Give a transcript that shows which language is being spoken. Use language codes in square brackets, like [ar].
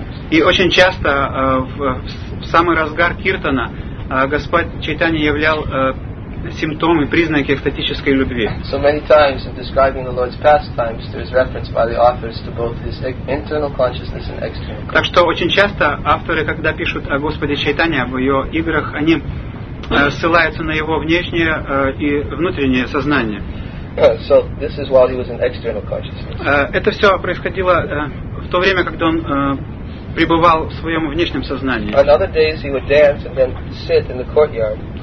[ru] И очень часто в самый разгар киртана Господь Чайтанья являл симптомы, признаки экстатической любви. [en] So many times in describing the Lord's pastimes, there is reference by the authors to both his internal consciousness and external consciousness. [ru] Так что очень часто авторы, когда пишут о Господе Чайтанье, в его играх, они ссылаются на его внешнее и внутреннее сознание. [en] So this is while he was in external consciousness. [ru] Это все происходило в то время, когда он пребывал в своем внешнем сознании. [en] On other days he would dance and then sit in the courtyard.